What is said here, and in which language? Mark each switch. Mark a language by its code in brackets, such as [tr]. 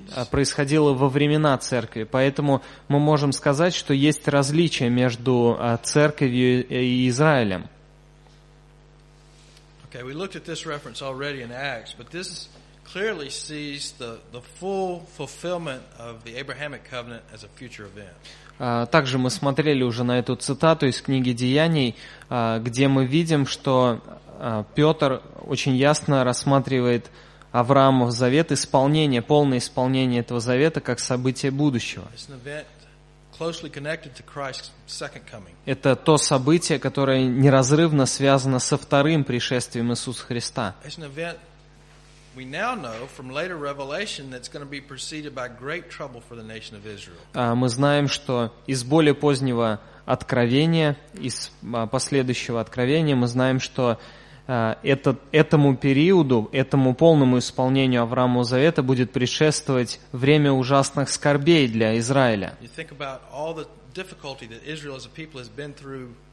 [ru] Происходило во времена церкви. Поэтому мы можем сказать, что есть различия между церковью и Израилем. [en] Okay, we looked at this reference already in Acts, but this is clearly sees the full fulfillment of the Abrahamic covenant as a future event. [ru] Также мы смотрели уже на эту цитату из книги Деяний, где мы видим, что Петр очень ясно рассматривает Авраамов завет, исполнение, полное исполнение этого завета как событие будущего. [en] It's an event closely connected to Christ's second coming. [ru] Это то событие, которое неразрывно связано со вторым пришествием Иисуса Христа. [en] It's an event we now know from later revelation that's going to be preceded by great trouble for the nation of Israel. [ru] Мы знаем, что из более позднего откровения, из последующего откровения, мы знаем, что этому периоду, этому полному исполнению Авраамова завета будет предшествовать время ужасных скорбей для Израиля. [en] You think about all the difficulty that Israel as a people has been through.